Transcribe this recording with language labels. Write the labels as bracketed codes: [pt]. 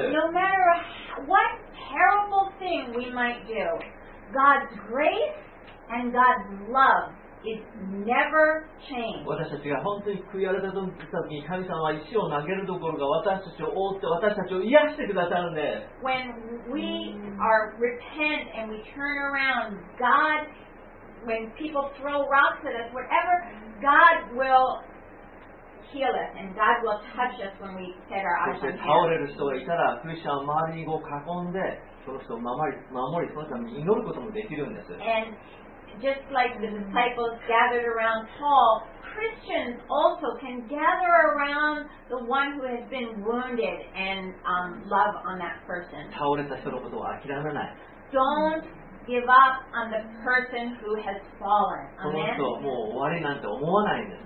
[en] No matter what terrible thing we might do, God's grace and God's love. It never changed. [ja] 私たちが本当に悔い改めた時に神様は石を投げるどころか私たちを覆って私たちを癒してくださるんです。 [en] When we are repent and we turn around, God, when people throw rocks at us, whatever, God will heal us and God will touch us when we set our eyes on Him. [ja] 倒れる人がいたらクリスチャンは周りにこう囲んでその人を守りそのために祈ることもできるんです。 [en] And Just like the disciples gathered around Paul, Christians also can gather around the one who has been wounded and love on that person. [ja] 倒れた人のことを諦めない。 [en] Don't give up on the person who has fallen. [ja] その人はもう終わりなんて思わないんです。